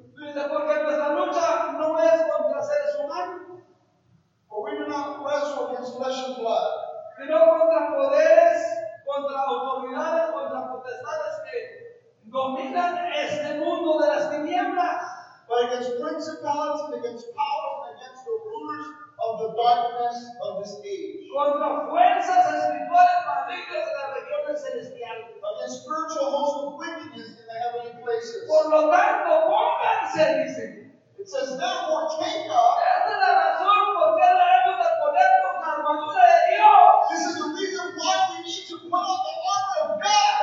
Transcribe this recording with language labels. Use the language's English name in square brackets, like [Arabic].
[Spanish] Dice, porque nuestra lucha no es contra seres humanos. [English] For we do not wrestle against flesh and blood. [Spanish] Sino contra poderes, contra autoridades, contra potestades que dominan este mundo de las tinieblas. [English] But against principalities, against powers, and against the rulers of the darkness of this age. [Spanish] Contra fuerzas espirituales malignas de las regiones celestiales. [English] Against spiritual hosts of wickedness in the heavenly places. [Spanish] Por lo tanto, pónganse, dice. [English] It says, therefore, take up. [Spanish] Esta es la razón por qué debemos de poner con la armadura de Dios. [English] This is the reason why we need to put on the armor of God.